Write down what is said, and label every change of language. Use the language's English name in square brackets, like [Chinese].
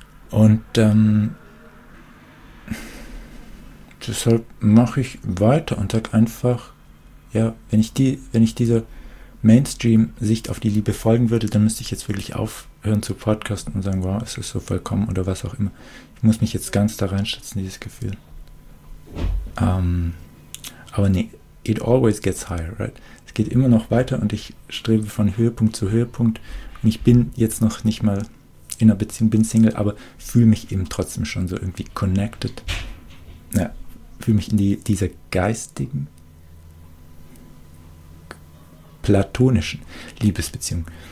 [German] Und deshalb mache ich weiter und sage einfach, ja, wenn ich dieser Mainstream-Sicht auf die Liebe folgen würde, dann müsste ich jetzt wirklich aufhören zu podcasten und sagen, wow, es ist so vollkommen oder was auch immer. Ich muss mich jetzt ganz da reinschätzen, dieses Gefühl. [English] Aber nee, it always gets higher, right? [German] Es geht immer noch weiter und ich strebe von Höhepunkt zu Höhepunkt. Und ich bin jetzt noch nicht mal in einer Beziehung, bin Single, aber fühle mich eben trotzdem schon so irgendwie connected. Naja, fühle mich in dieser geistigen, platonischen Liebesbeziehung.